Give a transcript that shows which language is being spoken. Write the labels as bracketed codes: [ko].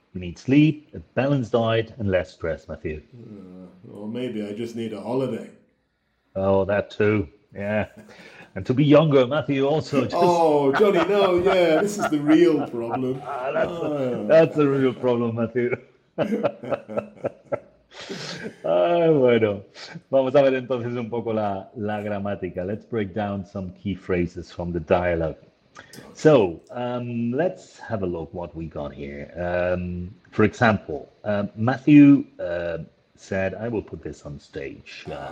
[en] You need sleep, a balanced diet, and less stress, Matthew. Or maybe I just need a holiday. Oh, that too. Yeah. And to be younger, Matthew, also just. Oh, Johnny, no, yeah, this is the real problem. That's a real problem, Matthew. [es] Bueno, vamos a ver entonces un poco la gramática. [en] Let's break down some key phrases from the dialogue. So, let's have a look what we got here. For example, Matthew said, I will put this on stage.